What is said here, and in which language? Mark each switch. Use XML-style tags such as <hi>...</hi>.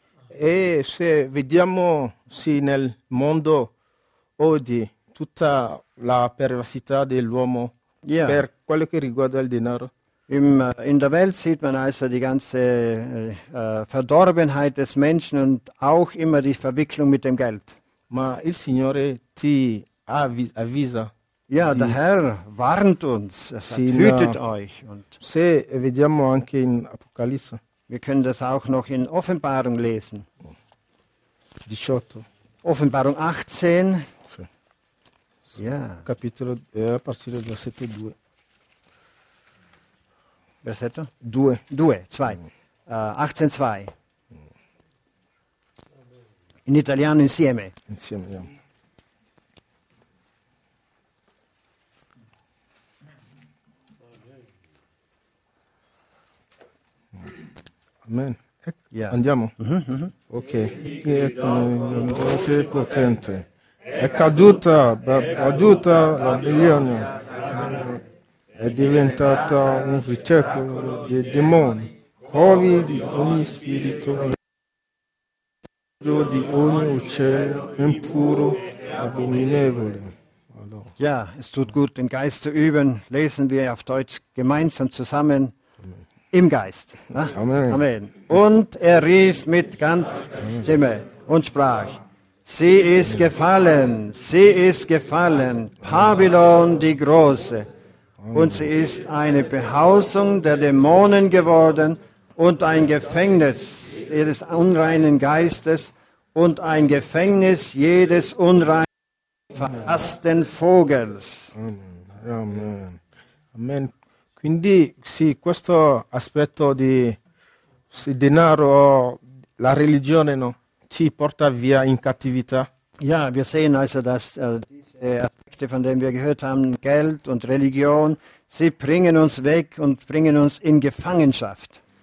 <it>E se vediamo sì, nel mondo oggi tutta la perversità dell'uomo per quello che riguarda il denaro.</it> <de>In der Welt sieht man also die ganze Verdorbenheit des Menschen und auch immer die Verwicklung mit dem Geld.</de> <it>Ma il Signore ti avvisa.</it> <de>Ja, der Herr warnt uns, hütet euch. Und</de> <it>se vediamo anche in Apocalisse.</it> <de>Wir können das auch noch in Offenbarung lesen. 18. Offenbarung 18.</de> <it>Sì. Sì.</it> <de>Ja.</de> <it>Capitolo, a partire dal versetto 2. Versetto? 2. 2, 2. 18, 2. In italiano insieme. Insieme,</it> <de>ja.</de> <it>Amen. Andiamo. Ok. È potente. È caduta, caduta la Babilonia. È diventata un ricettacolo di demoni. Covi di ogni spirito. Di ogni uccello impuro abominevole. Allora.</it> <de>Ja, es tut gut, den Geist zu üben. Lesen wir auf Deutsch gemeinsam zusammen. im Geist. Amen. Amen. Und er rief mit ganzer Stimme und sprach: Sie ist gefallen, sie ist gefallen, Babylon die Große. Und sie ist eine Behausung der Dämonen geworden und ein Gefängnis ihres unreinen Geistes und ein Gefängnis jedes unreinen, verhassten Vogels. Amen. Amen.</de> <it>Quindi, sì, questo aspetto di se denaro, la religione, no? Ci porta via in cattività.</it> <de>Ja, wir sehen also, dass diese Aspekte, von denen wir gehört haben, Geld und Religion, sie bringen uns weg und bringen uns in Gefangenschaft.</de>